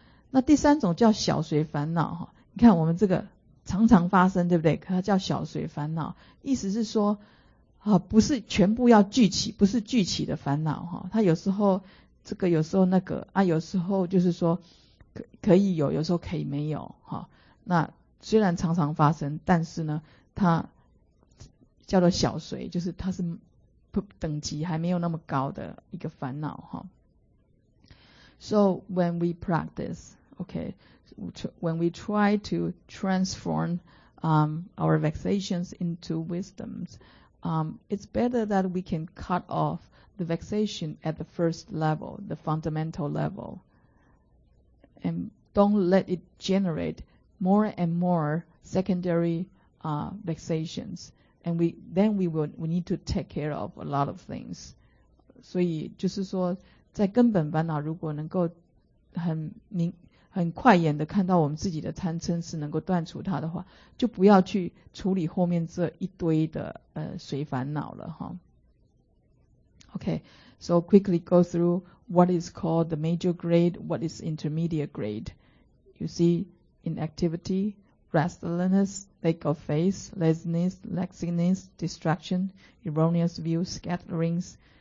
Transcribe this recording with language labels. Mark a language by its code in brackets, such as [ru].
[zh] 那第三种叫小随烦恼，你看我们这个常常发生，对不对？可它叫小随烦恼，意思是说不是全部要聚起，不是聚起的烦恼，它有时候这个有时候那个啊，有时候就是说可以有，有时候可以没有，那虽然常常发生，但是呢它叫做小随，就是它是等级还没有那么高的一个烦恼。 [en] So when we practice, okay, when we try to transform our vexations into wisdoms, it's better that we can cut off the vexation at the first level, the fundamental level, and don't let it generate more and more secondary vexations. And we need to take care of a lot of things. [zh] 所以就是说在根本烦恼如果能够很快眼的看到我们自己的贪嗔痴能够断除它的话，就不要去处理后面这一堆的随烦恼了。 [en] Okay, so quickly go through what is called the major grade, what is intermediate grade. You see, inactivity,restlessness, lack of faith, laziness, laxiness, distraction, erroneous views, scatterings.